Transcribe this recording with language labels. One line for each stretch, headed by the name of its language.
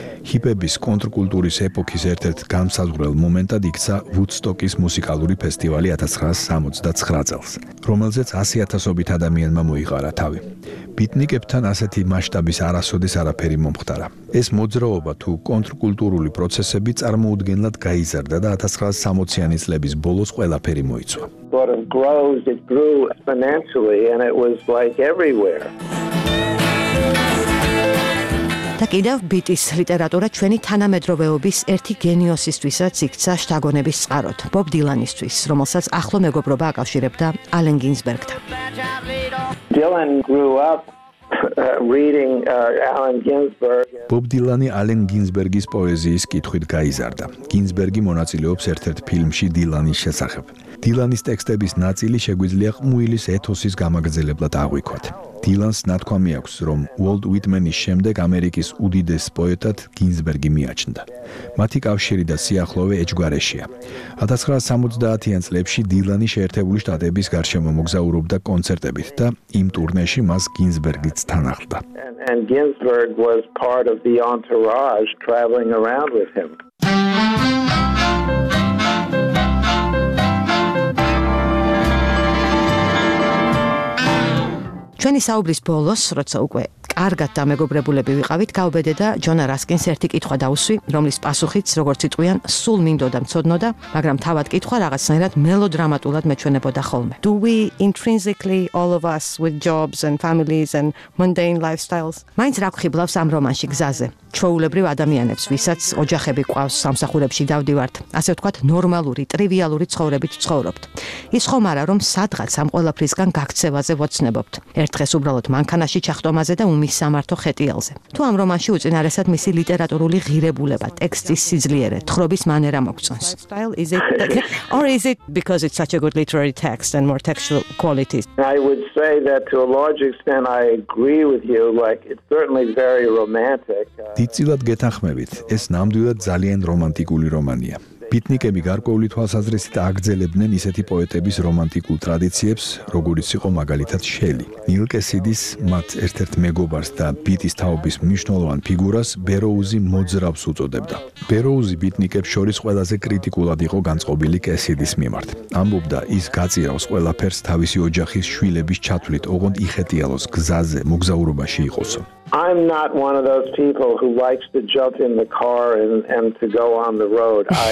Georgian: ჰიპების კონტრკულტურის ეპოქის ერთ-ერთ განმსაზღვრელ მომენტად იქცა ვუდსტოკის მუსიკალური ფესტივალი 1969 წელს, რომელზეც 100,000-ობით ადამიანმა მოიყარა თავი. ბიტნიკებთან ასეთი მასშტაბის არასოდეს არაფერი მომხდარა. ეს მოძრაობა თუ კონტრკულტურული პროცესები წარმოუდგენლად გაიზარდა და 1960-იანი წლების ბოლოს ყველაფერი მოიცვა.
English: But it grows, it grew exponentially, and it was like everywhere.
Georgian: და კიდევ ბიტის ლიტერატურა ჩვენი თანამედროვეობის ერთი გენიოსისთვისაც იქცა შტაგონების წყაროთ, ბობ დილანისთვის, რომელსაც ახლო მეგობრობა აკავშირებდა ალენ გინსბერგთან.
English: Dylan grew up reading Allen Ginsberg.
Georgian: ბობ დილანი ალენ გინსბერგის პოეზიის კითხვით გაიზარდა. გინსბერგი მონაწილეობს ერთ-ერთ ფილმში დილანის შესახებ. დილანის ტექსტების ნაწილი შეგვიძლია ყმუილის ეთოსის გამაგრძელებლად აღვიქვათ. დილანს ნათქვამი აქვს, რომ უოლტ უიტმენის შემდეგ ამერიკის უდიდეს პოეტად გინსბერგი მიაჩნდა. მათი კავშირი და სიახლოვე ეჯგვარეშია. 1970-იან წლებში დილანი შეერთებული შტატების გარშემო მოგზაურობდა კონცერტებით და იმ ტურნეში მას გინსბერგიც თან ახლდა.
English: And Ginsberg was part of the entourage traveling around with him.
Georgian: ჩვენი საუბრის ბოლოს, როცა უკვე კარგად დამეგობრებულები ვიყავით, გაუბედე და ჯონ რასკინს ერთი კითხვა დაუსვი, რომლის პასუხიც, როგორც იტყვიან, სულ მინდოდა მცოდნოდა, მაგრამ თავად კითხვა რაღაცნაირად მელოდრამატულად მეჩვენებოდა ხოლმე.
English: Do we intrinsically all of us with jobs and families and mundane lifestyles?
Georgian: მაინც რა გვხიბლავს ამ რომანში გზაზე? ჩვეულებრივ ადამიანებს, ვისაც ოჯახები ყავს, სამსახურებში დავდივართ, ასე ვთქვათ, ნორმალური, ტრივიალური ცხოვრებით ვცხოვრობთ. ის ხომ არა, რომ სადღაც ამ ყველაფრისგან გაქცევაზე ვოცნებობთ. ერთ დღეს უბრალოდ მანქანაში ჩახტომაზე და უმის სამართო ხეტიალზე. თუ ამ რომანში უწინარესად მისი ლიტერატურული ღირებულება, ტექსტის სიძლიერე, თხრობის მანერა მოგწონს.
English: Or is it because it's such a good literary text and more textual qualities? I would say that to a large extent I agree with you, like it's certainly very romantic.
Georgian: დიდწილად გეთანხმებით, ეს ნამდვილად ძალიან რომანტიკული რომანია. ბიტნიკები გარკვეული თვალსაზრისით აგრძელებდნენ ისეთი პოეტების რომანტიკულ ტრადიციებს, როგორიც იყო მაგალითად შელი. ნილ კესიდის, მათ ერთ-ერთ მეგობარს და ბიტის თაობის მნიშვნელოვან ფიგურას, ბეროუზი მოძრავს უწოდებდა. ბეროუზი ბიტნიკებს შორის ყველაზე კრიტიკულად იყო განწყობილი კესიდის მიმართ. ამბობდა, ის გაწირავს ყველაფერს თავისი ოჯახის შვილების ჩათვლით, ოღონდ იხეტიალოს გზაზე, მოგზაურობაში იყოსო.
English: I'm not one of those people who likes to jump in the car and to go on the road.